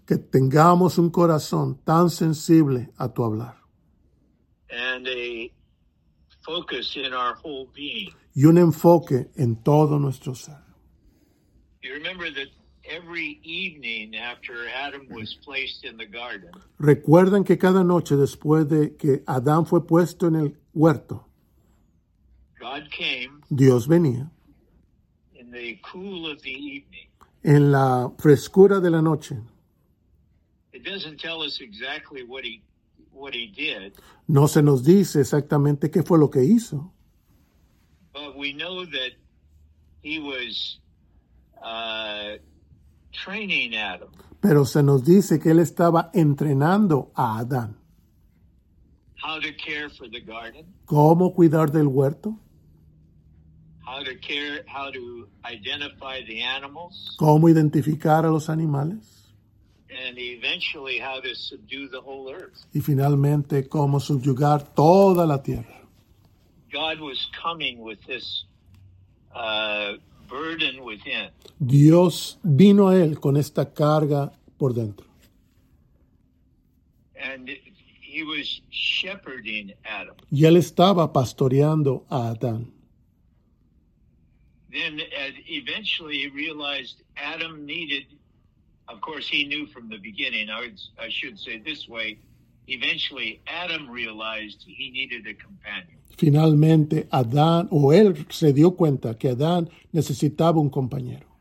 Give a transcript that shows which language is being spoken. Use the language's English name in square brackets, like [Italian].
[Spanish] Que tengamos un corazón tan sensible a tu hablar. [English] And a focus in our whole being. [Spanish] Y un enfoque en todo nuestro ser. [English] You remember that every evening after Adam was placed in the garden. [Spanish] Recuerdan que cada noche después de que Adán fue puesto en el huerto. [English] God came. [Spanish] Dios venía. [English] In the cool of the evening. [Spanish] En la frescura de la noche. [English] It doesn't tell us exactly what he did. [Spanish] No se nos dice exactamente qué fue lo que hizo. [English] But we know that he was training Adam. [Spanish] Pero se nos dice que él estaba entrenando a Adán. [English] How to care for the garden. [Spanish] ¿Cómo cuidar del huerto? [English] How to identify the animals. [Spanish] ¿Cómo identificar a los animales? [English] And eventually how to subdue the whole earth. [Spanish] Y finalmente, ¿cómo subyugar toda la tierra? [English] God was coming with this burden within. [Spanish] Dios vino a él con esta carga por dentro. [English] And he was shepherding Adam. [Spanish] Y él estaba pastoreando a Adán. [English] Then eventually he realized Adam needed, of course he knew from the beginning, I should say this way, eventually Adam realized he needed a companion. [Spanish] Finalmente, Adán, o él se dio cuenta que Adán necesitaba un compañero.